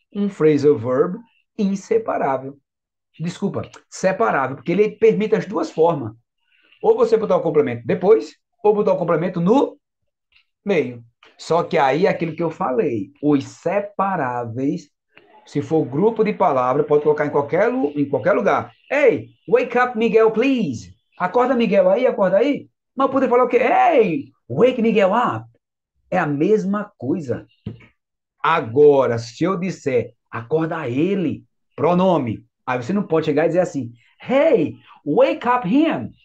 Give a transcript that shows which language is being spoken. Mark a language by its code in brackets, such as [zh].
[pt] Um phrasal verb inseparável. Desculpa, separável, porque ele permite as duas formas. Ou você botar o complemento depois, ou botar o complemento no meio. Só que aí, aquilo que eu falei, os separáveis, se for grupo de palavras, pode colocar em qualquer lugar. [en] Hey, wake up, Miguel, please. [pt] Acorda, Miguel, aí, acorda aí. Mas poder falar o quê? [en] Hey, wake Miguel up. [pt] É a mesma coisa. Agora, se eu disser, acorda ele, pronome, aí você não pode chegar e dizer assim, [en] hey, wake up him.